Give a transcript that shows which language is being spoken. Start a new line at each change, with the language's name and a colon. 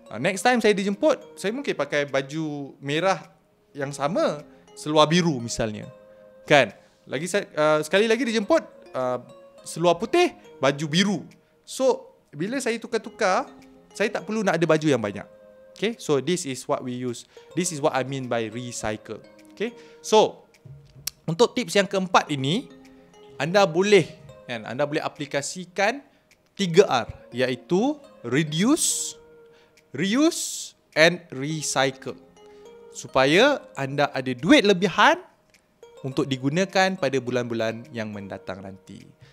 English: Next time
Malay: saya dijemput, saya mungkin pakai baju merah yang sama, seluar biru misalnya, kan? Lagi sekali lagi dijemput, seluar putih, baju biru.
English: So
Malay: bila saya tukar-tukar, saya tak perlu nak ada baju yang banyak.
English: Okay, so this is what we use. This is what I mean by recycle.
Malay: Okay, so untuk tips yang keempat ini, anda boleh, kan, anda boleh aplikasikan 3R, iaitu reduce, reuse and recycle. Supaya anda ada duit lebihan untuk digunakan pada bulan-bulan yang mendatang nanti.